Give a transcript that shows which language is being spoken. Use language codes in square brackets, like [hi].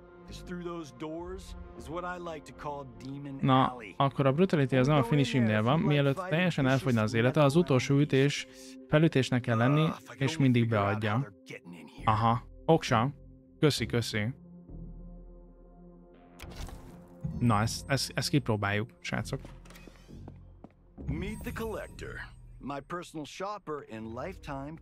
[en] Just through those doors is what I like to call Demon Alley. [hu] Na, akkor a brutality az nem a finishingnél van, mielőtt teljesen elfogyna az élete, az utolsó ütés felütésnek kell lenni, és mindig beadja. Aha, oksa. Köszi, köszi. Na, ezt kipróbáljuk, srácok. [en] Meet the collector, my personal shopper in lifetime.